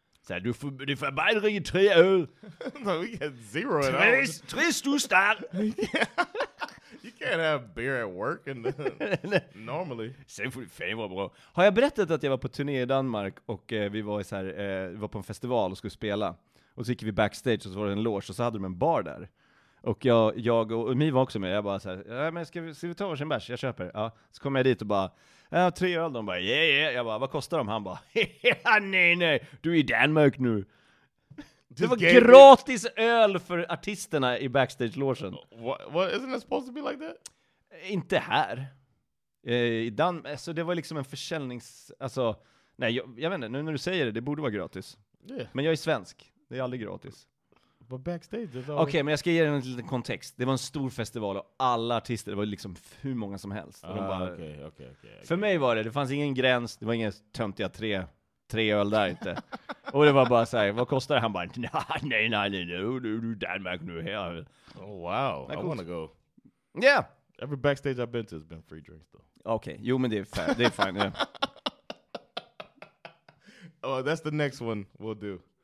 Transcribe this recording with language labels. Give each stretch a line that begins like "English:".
Swedish: Så här, du får bara dricka 3 öl.
English: No, we get 0 at all.
Swedish: Tre stustar.
English: You can't have beer at work and normally.
Swedish: Sen får du 5 år, bro. Har jag berättat att jag var på turné i Danmark och vi var så här, var på en festival och skulle spela. Och så gick vi backstage och så var det en loge och så hade de en bar där. Och jag och Mi var också med. Jag bara så här, men ska vi ta varsin bärs? Jag köper. Ja. Så kom jag dit och bara... Ja, 3 öl. De bara,
English: yeah, yeah.
Swedish: Jag bara, vad kostar de? Han bara, nej. Du är i Danmark nu. Det var gratis öl för artisterna i backstage-logen.
English: What? Isn't it supposed to be like that?
Swedish: Inte här. I Danmark. Så det var liksom en försäljnings... Alltså, nej, jag vet inte. Nu när du säger det borde vara gratis. Yeah. Men jag är svensk. Det är aldrig gratis.
English: But backstage...
Swedish: Okej, okay, men jag ska ge dig en liten kontext. Det var en stor festival och alla artister, det var liksom hur många som helst. För mig var det fanns ingen gräns, det var ingen töntiga 3 öl där inte. Och det var bara så här, vad kostar det? Han bara, nej, du är Danmark nu. Här.
English: Oh, wow. I want to go. Yeah. Every backstage I've been to has been free drinks, though.
Swedish: Okej, okay. Jo, men det är fine, yeah.
English: Oh, that's the next one we'll do.